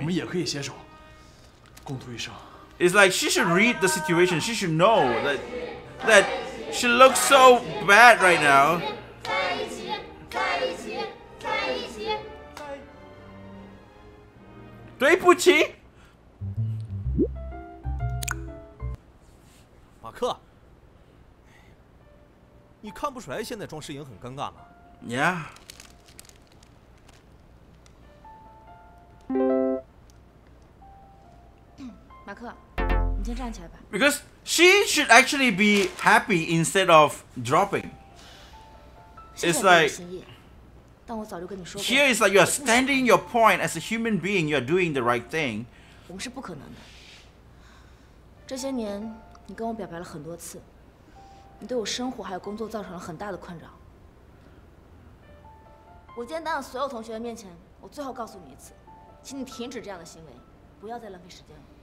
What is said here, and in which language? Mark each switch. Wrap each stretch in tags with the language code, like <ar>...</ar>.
<zh>我们也可以携手，共度一生。</zh> <en>It's like she should read the situation. She should know that she looks so bad right now.</en> <zh>在一起，在一起，在一起。对不起，马克，你看不出来现在庄诗颖很尴尬吗？</zh> <en>Yeah.</en> <zh>马克，你先站起来吧。</zh> <en>Because she should actually be happy instead of dropping. It's like,</en> <zh>但我早就跟你说过。</zh> <en>Here is like you are standing your point as a human being. You are doing the right thing.</en> <zh>我们是不可能的。这些年，你跟我表白了很多次，你对我生活还有工作造成了很大的困扰。我今天当着所有同学的面前，我最后告诉你一次，请你停止这样的行为，不要再浪费时间了。</zh>